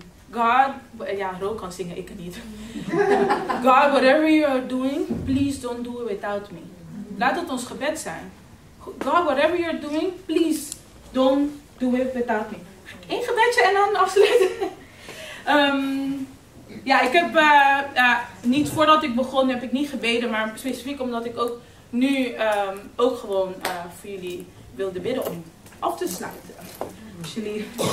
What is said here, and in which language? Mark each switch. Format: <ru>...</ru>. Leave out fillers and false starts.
<nl>God, ja, Ro kan zingen, ik niet.</nl> <en>God, whatever you are doing, please don't do it without me.</en> <nl>Laat het ons gebed zijn.</nl> <en>God, whatever you are doing, please don't do it without me.</en> <nl>Eén gebedje en dan afsluiten. Ja, ik heb niet voordat ik begon, heb ik niet gebeden. Maar specifiek omdat ik ook nu ook gewoon voor jullie wilde bidden om af te sluiten. Dus jullie...</nl>